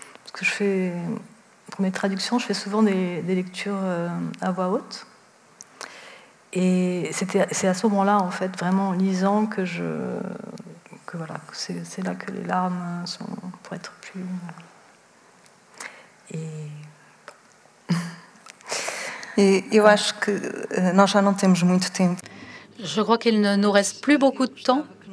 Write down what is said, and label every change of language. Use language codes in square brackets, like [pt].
[fr] Parce que je fais, pour mes traductions, je fais souvent des lectures à voix haute. Et c'est à ce moment-là, en fait, vraiment en lisant que je voilà, c'est là que les larmes sont pour être plus. Et je pense que nous [pt] já não temos muito tempo. [fr] Je crois qu'il ne nous reste plus beaucoup de temps.